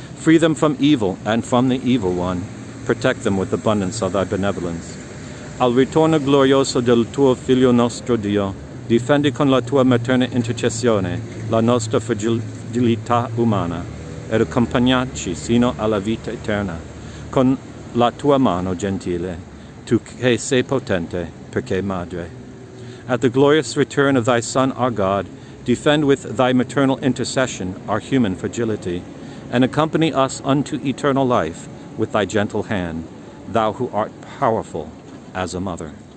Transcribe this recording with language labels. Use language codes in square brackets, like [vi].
[en] Free them from evil and from the evil one. Protect them with abundance of thy benevolence. [it] Al ritorno glorioso del tuo Figlio nostro Dio, difendi con la tua materna intercessione la nostra fragilità umana, ed accompagnaci sino alla vita eterna, con la tua mano gentile, tu che sei potente, perché madre. [en] At the glorious return of thy Son, our God, defend with thy maternal intercession our human fragility, and accompany us unto eternal life with thy gentle hand, thou who art powerful as a mother.